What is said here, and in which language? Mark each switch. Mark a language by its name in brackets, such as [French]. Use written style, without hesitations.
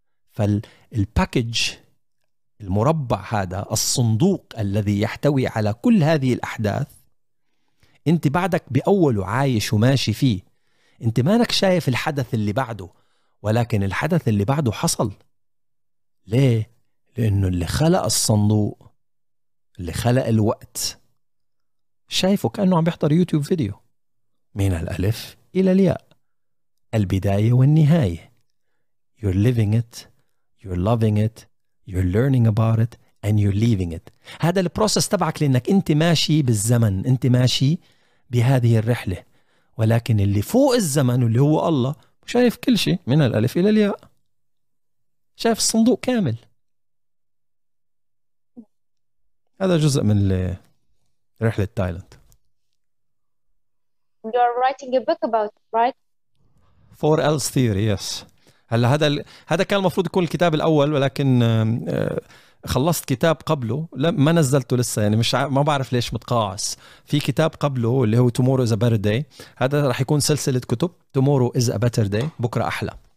[Arabic] فالباكج المربع هذا, الصندوق الذي يحتوي على كل هذه الأحداث, أنت بعدك بأوله عايش وماشي فيه, أنت ما أنك شايف الحدث اللي بعده, ولكن الحدث اللي بعده حصل. ليه؟ لأنه اللي خلق الصندوق, اللي خلق الوقت, شايفه كأنه عم بيحضر يوتيوب فيديو من الألف إلى الياء, البداية والنهاية. [English] You're living it, you're loving it, you're learning about it, and you're leaving it. [Arabic] هذا البروسس تبعك لأنك أنت ماشي بالزمن, أنت ماشي بهذه الرحلة, ولكن اللي فوق الزمن واللي هو الله شايف كل شيء من الألف إلى الياء, شايف الصندوق كامل. هذا جزء من رحلة تايلاند. [English] You are writing a book about it, right? 4L's theory, yes. [Arabic] هلا هذا كان المفروض يكون الكتاب الأول, ولكن خلصت كتاب قبله, ما نزلته لسه, يعني مش ما بعرف ليش متقاعس. في كتاب قبله اللي هو Tomorrow is a better day, هذا راح يكون سلسلة كتب. [English] Tomorrow is a better day, [Arabic] بكرة أحلى.